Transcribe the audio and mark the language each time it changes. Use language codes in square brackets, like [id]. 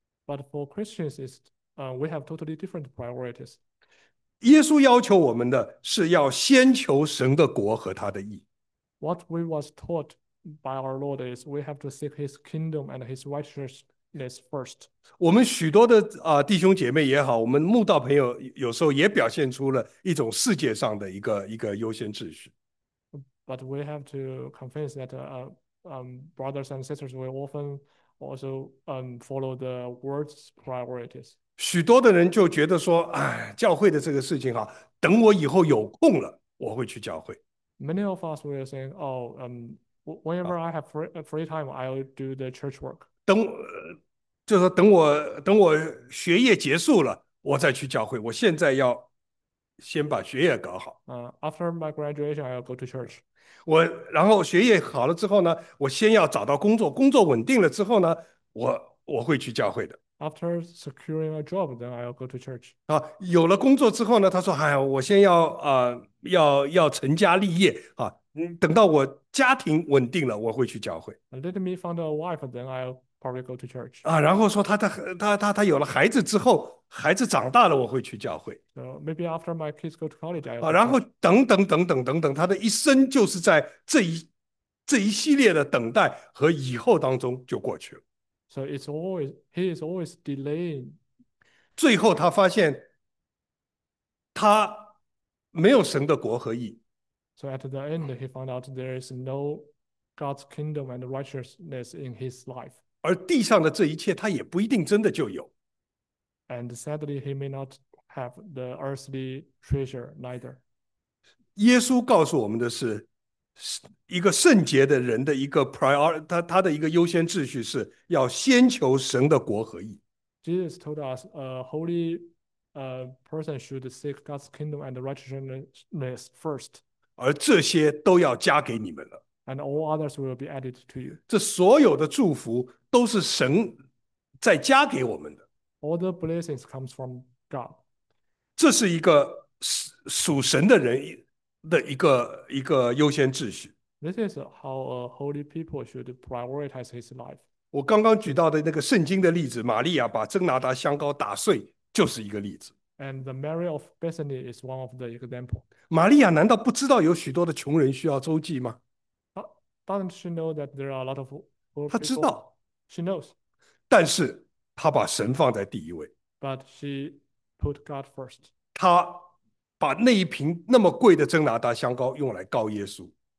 [en] But for Christians, we have totally different priorities. [zh] 耶稣要求我们的是要先求神的国和他的义。 [en] What we was taught by our Lord is we have to seek His kingdom and His righteousness first. [zh] 我们许多的弟兄姐妹也好，我们慕道朋友有时候也表现出了一种世界上的一个优先秩序。 [en] But we have to confess that brothers and sisters will often also follow the world's priorities. [zh] 许多的人就觉得说，哎，教会的这个事情哈，等我以后有空了，我会去教会。 [en] Many of us were saying, "Oh, whenever I have free time, I'll do the church work." [zh] 就说等我学业结束了，我再去教会。我现在要先把学业搞好。 [en] After my graduation, I'll go to church. [zh] 我然后学业好了之后呢，我先要找到工作，工作稳定了之后呢，我会去教会的。 [en] After securing a job, then I'll go to church. [zh] 啊，有了工作之后呢，他说：“哎呀，我先要成家立业啊，等到我家庭稳定了，我会去教会。” [en] Let me find a wife, then I'll probably go to church. [zh] 啊，然后说他有了孩子之后，孩子长大了，我会去教会。 [en] So maybe after my kids go to college, I'll 啊， go [zh] 然后 [en] church. [zh] 等等等等等等，他的一生就是在这一系列的等待和以后当中就过去了。 [en] So it's always he is always delaying. [zh] 最后他发现，他没有神的国和义。 [en] So at the end, he found out there is no God's kingdom and righteousness in his life. [zh] 而地上的这一切，他也不一定真的就有。 [en] And sadly, he may not have the earthly treasure neither. [zh] 耶稣告诉我们的是，一个圣洁的人的一个 priority，他的一个优先秩序是要先求神的国和义。 [en] Jesus told us a holy person should seek God's kingdom and righteousness first. [zh] 而这些都要加给你们了。 [en] And all others will be added to you. [zh] 这所有的祝福都是神在加给我们的， [en] All the blessings comes from God. [zh] 这是一个属神的人的一个优先秩序。 [en] This is how a holy people should prioritize his life. [zh] 我刚刚举到的那个圣经的例子，玛利亚把真拿达香膏打碎，就是一个例子。 [en] And the Mary of Bethany is one of the examples. [zh] 玛利亚难道不知道有许多的穷人需要周济吗？ [en] Doesn't she know that there are a lot of poor [zh] 他知 [en] people? [zh] 道， [en] She knows. [zh] 但是他把神放在第一位。 [en] But she put God first. [zh] 他把那一瓶那么贵的真拿达香膏用来膏耶稣。